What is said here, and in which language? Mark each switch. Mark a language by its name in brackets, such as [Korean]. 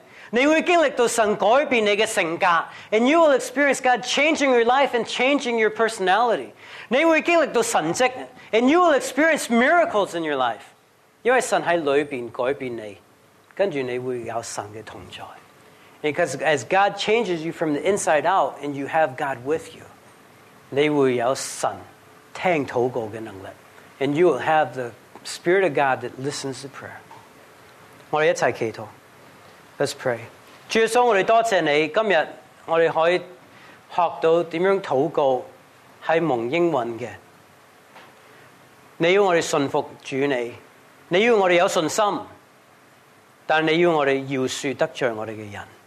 [Chinese] 你会经历到神改变你生命，你会经历到神改变你的性格， [English] and you will experience God changing your life and changing your personality. [Chinese] 你会经历到神迹， [English] and you will experience miracles in your life. [Chinese] 因为神在里面改变你，跟着你会有神的同在。 [English] Because as God changes you from the inside out and you have God with you, [Chinese] 你会有神听祷告的能力, [English] and you will have the Spirit of God that listens to prayer. [Chinese] 我们一起祈祷。 [English] Let's pray. [Chinese] 主耶稣，我们多谢你，今天我们可以学到怎样祷告是蒙应允的。你要我们信服主你，你要我们有信心，但你要我们饶恕得罪我们的人。